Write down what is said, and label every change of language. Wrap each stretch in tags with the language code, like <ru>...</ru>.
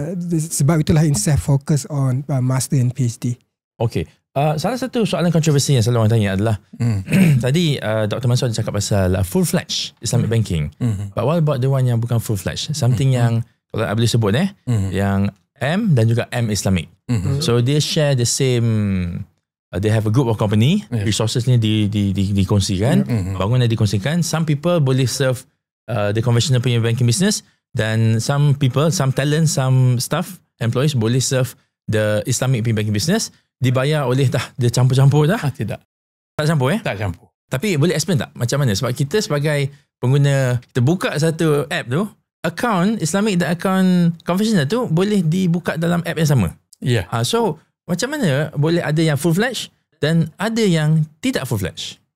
<ms>Sebab itulah</ms> <en>INSEF focus on master and PhD. Okay.</en> <ms>Salah satu soalan kontroversi yang selalu orang tanya adalah tadi Dr. Mansour ada cakap pasal</ms> <en>full-fledged Islamic banking. Mm-hmm. But what about the one</en> <ms>yang bukan</ms> <en>full-fledged? Something</en> <ms>yang kalau boleh sebut yang M dan juga M Islamic.</ms> <en>So they share the same, they have a group of company, resources</en> <ms>ni dikongsikan, bangunan dikongsikan.</ms> <en>Some people</en> <ms>boleh</ms> <en>serve the conventional</en> <ms>punya</ms> <en>banking business,</en> <ms>dan</ms> <en>some people, some talent, some staff, employees boleh serve the Islamic punya banking business.</en> <ms>Dibayar oleh dah, dia campur-campur dah? Tidak. Tak campur eh? Tak campur. Tapi boleh explain tak macam mana? Sebab kita sebagai pengguna, kita buka satu app tu, account Islamic dan account conventional tu boleh dibuka dalam app yang sama. Ya.</ms> <en>Yeah. So,</en> <ms>macam mana boleh ada yang</ms> <en>full-fledged</en> <ms>dan ada yang tidak full-fledged?</ms>